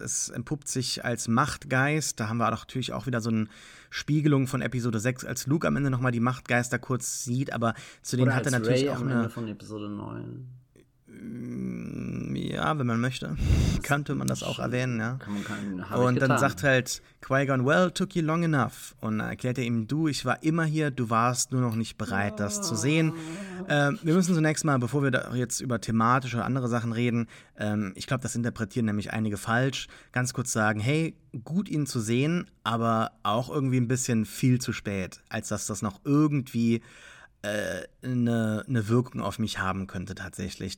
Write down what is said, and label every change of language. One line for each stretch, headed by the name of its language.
German: Es entpuppt sich als Machtgeist. Da haben wir natürlich auch wieder so eine Spiegelung von Episode 6, als Luke am Ende nochmal die Machtgeister kurz sieht. Aber zu denen hat er natürlich auch eine. Oder als Rey am Ende von Episode 9. Ja, wenn man möchte, könnte man das auch erwähnen, ja. Kann man keinen, hab und ich getan. Dann sagt halt Qui-Gon,
English: well, took you long enough.
German: Und erklärt er ihm, du, ich war immer hier, du warst nur noch nicht bereit, das zu sehen. Wir müssen zunächst mal, bevor wir da jetzt über thematische oder andere Sachen reden, ich glaube, das interpretieren nämlich einige falsch, ganz kurz sagen, hey, gut ihn zu sehen, aber auch irgendwie ein bisschen viel zu spät, als dass das noch irgendwie eine Wirkung auf mich haben könnte tatsächlich.